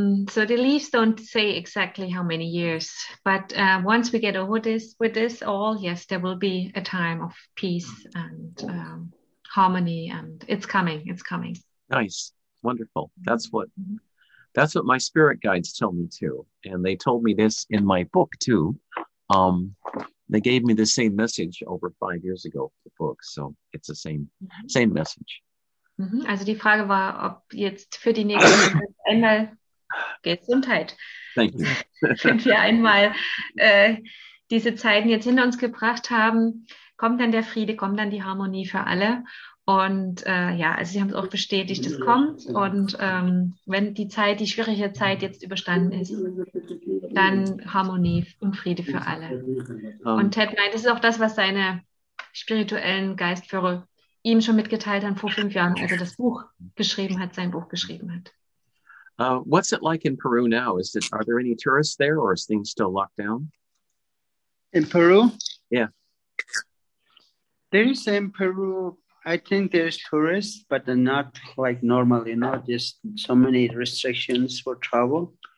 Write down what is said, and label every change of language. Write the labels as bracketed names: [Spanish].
[English] So the leaves don't say exactly how many years, but once we get over this with this all, yes, there will be a time of peace and harmony, and it's coming. Nice, wonderful. That's what my spirit guides tell me too, and they told me this in my book too. They gave me the same message over 5 years ago for the book, so it's the same message. [German] Also die Frage war, ob jetzt für die nächste einmal Gesundheit. [English] Thank you. [German] Wenn wir einmal diese Zeiten jetzt hinter uns gebracht haben, kommt dann der Friede, kommt dann die Harmonie für alle. Und ja, also sie haben es auch bestätigt, es kommt. Und wenn die Zeit, die schwierige Zeit jetzt überstanden ist, dann Harmonie und Friede für alle. Und Ted meint, das ist auch das, was seine spirituellen Geistführer ihm schon mitgeteilt haben vor 5 Jahren, als er das Buch geschrieben hat, sein Buch geschrieben hat. [English] What's it like in Peru now? Is it, are there any tourists there or is things still locked down? In Peru? Yeah. There is in Peru, I think there's tourists, but they're not like normal, you know, just so many restrictions for travel.